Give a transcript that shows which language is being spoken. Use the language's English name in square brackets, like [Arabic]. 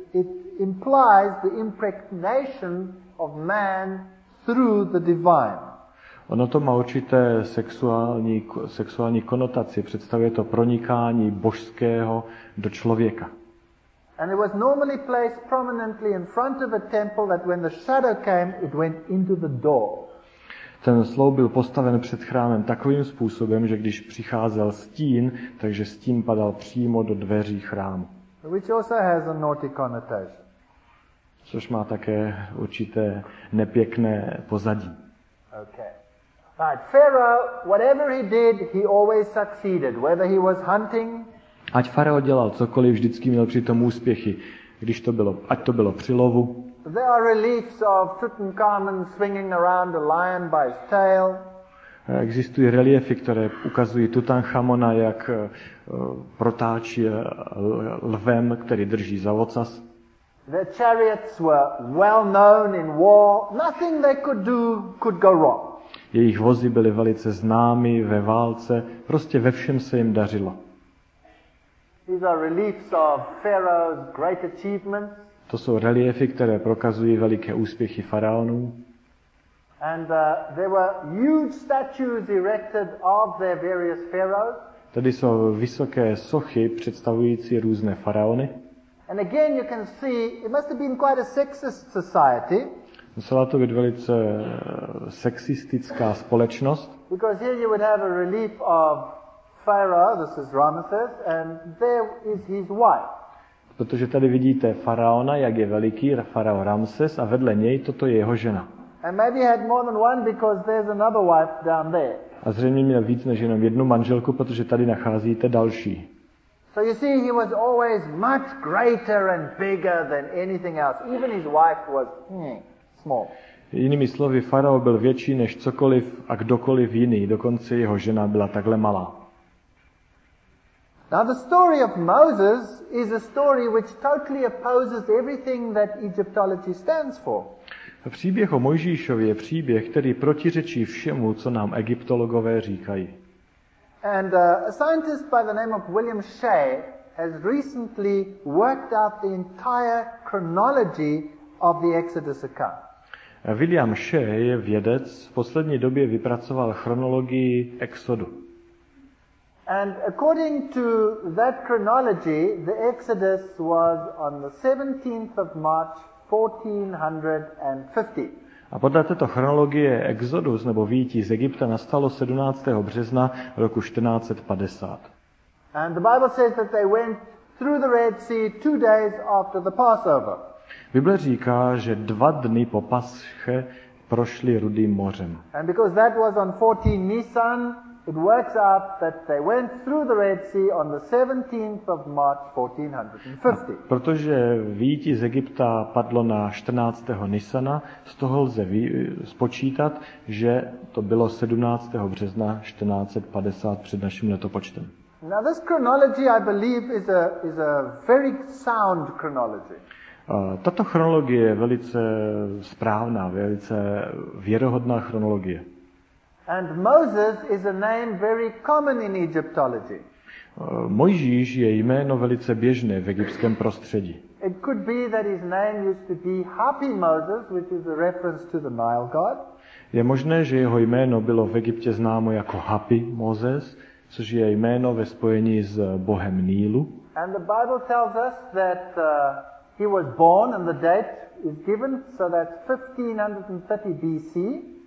[English] It implies the impregnation of man through the divine. [Czech] Ono to má určité sexuální konotaci, představuje to pronikání božského do člověka. [English] And it was normally placed prominently in front of a temple that when the shadow came, it went into the door. [Czech] Ten sloup byl postaven před chrámem takovým způsobem, že když přicházel stín, takže stín padal přímo do dveří chrámu. [English] Which also has a naughty connotation. [Czech] Což má také určité nepěkné pozadí. [English] Okay. Right. Pharaoh, whatever he did, he always succeeded, whether he was hunting. [Czech] Ať farao dělal cokoliv, vždycky měl při tom úspěchy, když to bylo, ať to bylo při lovu. [English] There are reliefs of Tutankhamun swinging around a lion by his tail. [Czech] Existují reliefy, které ukazují Tutanchamona, jak protáčí lvem, který drží za ocas. [English] Their chariots were well known in war. Nothing they could do could go wrong. [Czech] Jejich vozy byly velice známy ve válce. Prostě ve všem se jim dařilo. [English] These are reliefs of Pharaoh's great achievements. [Czech] To jsou reliefy, které prokazují veliké úspěchy faraonů. [English] And there were huge statues erected of their various pharaohs. [Czech] Tady jsou vysoké sochy představující různé faraony. [English] And again you can see it must have been quite a sexist society. [Czech] Musela to být velice sexistická společnost. [English] Because here you would have a relief of Pharaoh, this is Ramses, and there is his wife. [Czech] Protože tady vidíte faraona, jak je veliký, farao Ramses, a vedle něj toto je jeho žena. [English] And maybe he had more than one because there's another wife down there. [Czech] A zřejmě měl víc než jenom jednu manželku, protože tady nacházíte další. [English] So you see, he was always much greater and bigger than anything else. Even his wife was small. [Czech] Jinými slovy, farao byl větší než cokoliv a kdokoliv jiný. Dokonce jeho žena byla takhle malá. [English] Now the story of Moses is a story which totally opposes everything that Egyptology stands for. [Czech] Příběh o Mojžíšovi je příběh, který protiřečí všemu, co nám egyptologové říkají. [English] And a scientist by the name of William Shea has recently worked out the entire chronology of the Exodus account. [Czech] William Shea je vědec, v poslední době vypracoval chronologii Exodu. [English] And according to that chronology, the Exodus was on the 17th of March 1450. [Czech] A podle této chronologie Exodus nebo výjití z Egypta nastalo 17. března roku 1450. [English] And the Bible says that they went through the Red Sea 2 days after the Passover. [Czech] Bible říká, že 2 dny po Pasche prošli Rudým mořem. [English] And because that was on 14 Nisan, it works out that they went through the Red Sea on the 17th of March 1450. [Czech] A protože výjití z Egypta padlo na 14. Nisana, z toho lze spočítat, že to bylo 17. března 1450 před naším letopočtem. [English] Now this chronology, I believe, is a very sound chronology. [Czech] Tato chronologie je velice správná, velice věrohodná chronologie. [English] And Moses is a name very common in Egyptology. [Czech] Mojžíš je jméno velice běžné v egyptském prostředí. [English] It could be that his name used to be Happy Moses, which is a reference to the Nile god. [Czech] Je možné, že jeho jméno bylo v Egyptě známo jako Happy Moses, což je jméno ve spojení s bohem Nílu. [English] And the Bible tells us that he was born and the date is given, so that's 1530 BC.